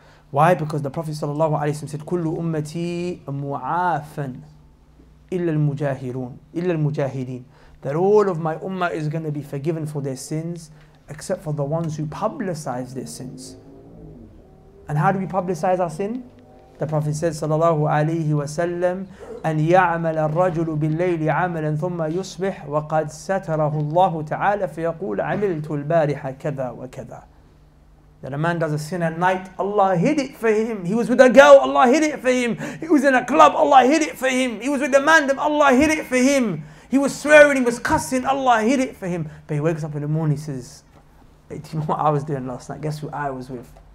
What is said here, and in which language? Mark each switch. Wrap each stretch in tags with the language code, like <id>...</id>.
<en>Why? Because the Prophet ﷺ said,</en> <ar>كُلُّ أُمَّتِي مُعَافًا إِلَّا الْمُجَاهِرُونَ إِلَّا الْمُجَاهِرِينَ.</ar> <en>That all of my ummah is going to be forgiven for their sins, except for the ones who publicize their sins. And how do we publicize our sin? The Prophet said, sallallahu alayhi wa sallam,</en> <ar>أن يعمل الرجل بالليل عملا ثم يصبح وقد ستره الله تعالى فيقول عملت البارحة كذا وكذا.</ar> <en>That a man does a sin at night, Allah hid it for him. He was with a girl, Allah hid it for him. He was in a club, Allah hid it for him. He was with a man, Allah hid it for him. He was swearing, he was cussing, Allah hid it for him. But he wakes up in the morning, he says, hey, do you know what I was doing last night? Guess who I was with?</en>